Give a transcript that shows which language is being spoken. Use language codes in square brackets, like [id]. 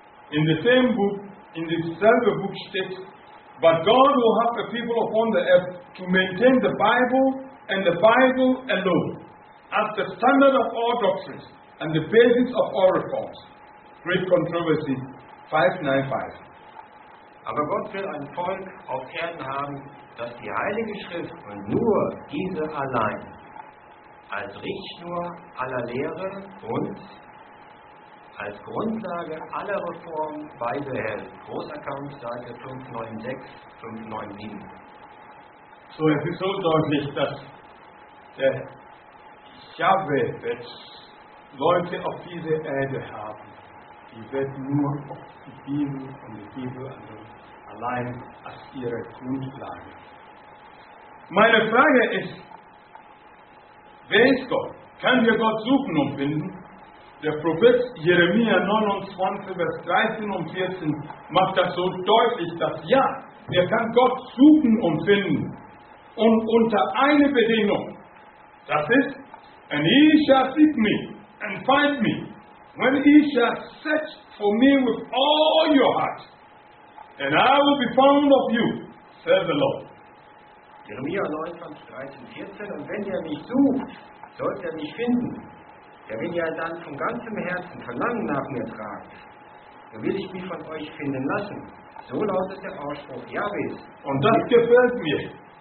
[en] In the same book, in the same book states, but God will have a people upon the earth to maintain the Bible and the Bible alone as the standard of all doctrines and the basis of all reforms. Great Controversy 595. [de] Aber Gott will ein Volk auf Erden haben, das die Heilige Schrift und nur diese allein als Richtschnur aller Lehre und als Grundlage aller Reformen beibehält. Großer Kampf, Seite 596-597. So, es ist so deutlich, dass der Yahweh wird Leute auf dieser Erde haben, die wird nur auf die Bibel und die Bibel allein als ihre Grundlage. Meine Frage ist, wer ist Gott? Kann wir Gott suchen und finden? Der Prophet Jeremia 29, Vers 13 und 14 macht das so deutlich, dass ja, er kann Gott suchen und finden. Und unter einer Bedingung. Das ist, [en] and he shall seek me and find me, when he shall search for me with all your heart, and I will be found of you, says the Lord. [de] Jeremia 29, 13, 14, und wenn er mich sucht, sollt er mich finden. Er will ja dann von ganzem Herzen Verlangen nach mir tragen. So will ich mich von euch finden lassen. So lautet der Ausspruch Jahwes. Und das gefällt mir.